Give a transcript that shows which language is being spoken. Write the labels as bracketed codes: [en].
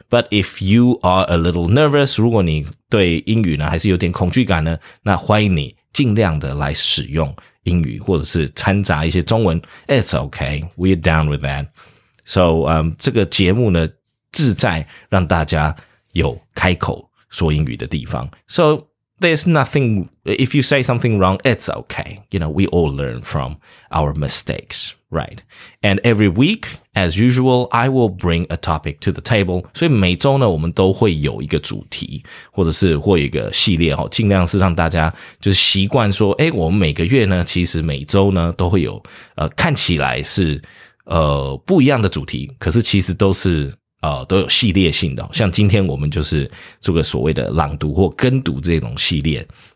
[en] But if you are a little nervous, [zh] 如果你对英语呢还是有点恐惧感呢，那欢迎你尽量的来使用英语或者是掺杂一些中文。 [en] It's okay, we're down with that. [zh] So, 这个节目呢志在让大家有开口说英语的地方。 [en] So,There's nothing, if you say something wrong, it's okay. You know, we all learn from our mistakes, right? And every week, as usual, I will bring a topic to the table. [zh] 所以每周呢，我们都会有一个主题，或者是会有一个系列，尽量是让大家就是习惯说，诶，我们每个月呢，其实每周呢，都会有，看起来是，不一样的主题，可是其实都是都有系列性的，像今天我们就是做个所谓的朗读或跟读这种系列。